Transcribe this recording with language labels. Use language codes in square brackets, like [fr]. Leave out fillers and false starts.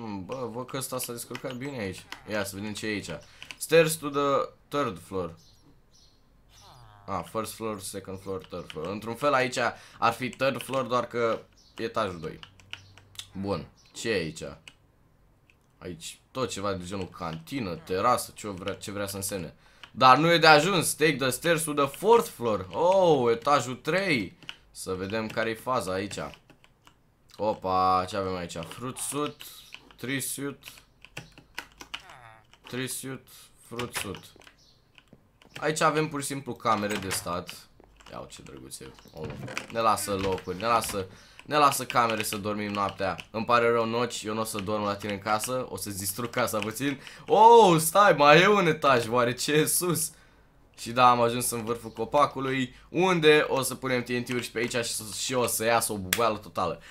[ro] Bă, văd că ăsta s-a descurcat bine aici. Ia să vedem ce e aici. [en] Stairs to the third floor. Ah, first floor, second floor, third floor. [ro] Într-un fel aici ar fi third floor, doar că etajul 2. Bun, ce e aici? Aici tot ceva de genul cantină, terasă, ce vrea să însemne. Dar nu e de ajuns. [en] Take the stairs to the fourth floor. [ro] Oh, etajul 3. Să vedem care e faza aici. Opa, ce avem aici? [en] Fruit suit, tree suit, fruit suit. [ro] Aici avem pur și simplu camere de stat. Iau, ce drăguț e. Oh, ne lasă locuri, ne lasă camere să dormim noaptea. Îmi pare rău, Notch, eu nu o să dorm la tine în casă, o să-ți distrug casa puțin. Oh, stai, mai e un etaj, oare ce e sus? Și da, am ajuns în vârful copacului, unde o să punem TNT-uri și pe aici și o să iasă o bubuială totală.